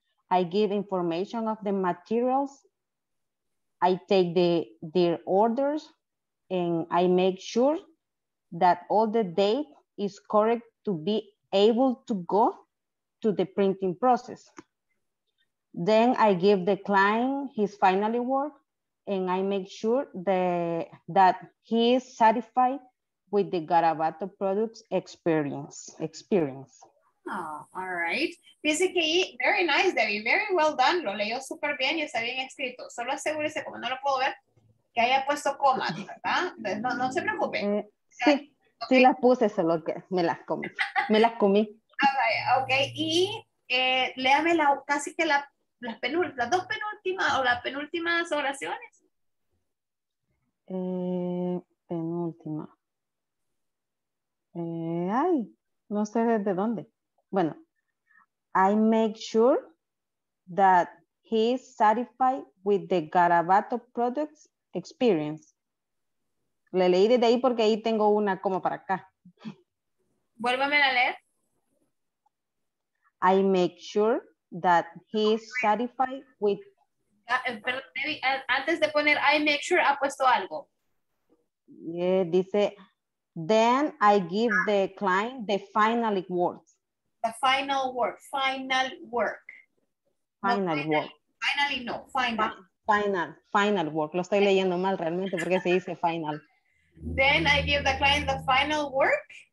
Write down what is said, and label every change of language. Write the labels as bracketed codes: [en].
[en] I give information of the materials. I take their orders and I make sure that all the date is correct to be able to go to the printing process. Then I give the client his final work and I make sure that he is satisfied with the Garabato products experience. All right. [es] Dice que, [en] very nice, Debbie. Very well done. [es] Lo leyó súper bien y está bien escrito. Solo asegúrese, como no lo puedo ver, que haya puesto comas, ¿verdad? No, no se preocupe. Sí, okay. Sí las puse, solo que me las comí. Me las comí. Ok, y léame la, casi que la, la penul, las dos penúltimas o las penúltimas oraciones. Penúltima. Ay, no sé desde dónde. [en] Bueno, I make sure that he is satisfied with the Garabato products experience. [es] Le leí desde ahí porque ahí tengo una coma para acá. Vuélvame a leer. [en] I make sure that he is satisfied with. [es] Perdón, Debbie, antes de poner [en] I make sure, [es] ha puesto algo. [en] Yeah, dice, then I give the client the final word. The final word, final work. Final no, work. Finally, no, final. Final, final work. [es] Lo estoy leyendo mal realmente porque se dice final. [en] Then I give the client the final work.